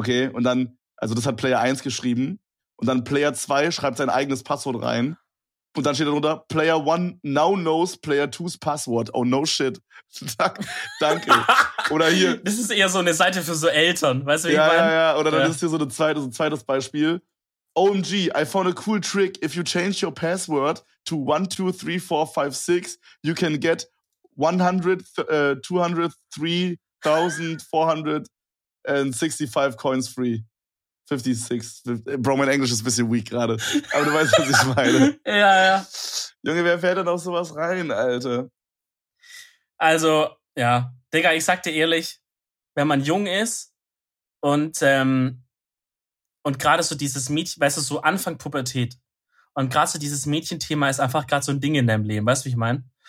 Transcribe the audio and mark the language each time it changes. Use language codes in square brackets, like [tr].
[de] Okay, und dann, also das hat Player 1 geschrieben. Und dann Player 2 schreibt sein eigenes Passwort rein. Und dann steht darunter, [en] Player 1 now knows Player 2's Password. Oh, no shit. [de] Danke. Oder hier. Das ist eher so eine Seite für so Eltern. Weißt du, wie ja, ich meine? Ja, ja, oder dann ist hier so ein zweites Beispiel. [en] OMG, I found a cool trick. If you change your password to 123456, you can get 103,465 coins free. 56. [de] Bro, mein Englisch ist ein bisschen weak gerade. Aber du weißt, was ich meine. Ja, ja. Junge, wer fährt denn auf sowas rein, Alter? Also, ja. Digga, ich sag dir ehrlich, wenn man jung ist und gerade so dieses Mädchen, weißt du, so Anfang Pubertät und gerade so dieses Mädchenthema ist einfach gerade so ein Ding in deinem Leben, weißt du, wie ich meine?